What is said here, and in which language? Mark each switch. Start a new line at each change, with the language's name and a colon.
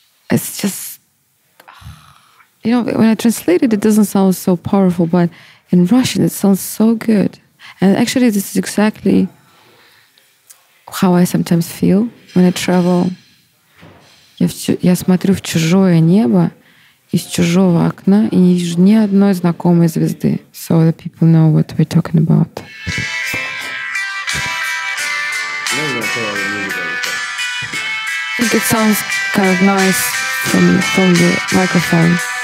English: It's just, you know, when I translate it, it doesn't sound so powerful, but in Russian, it sounds so good. And actually, this is exactly how I sometimes feel when I travel.
Russian: Я смотрю в чужое небо из чужого окна и не вижу ни одной знакомой звезды.
English: So that people know what we're talking about. I think it sounds kind of nice from the microphone.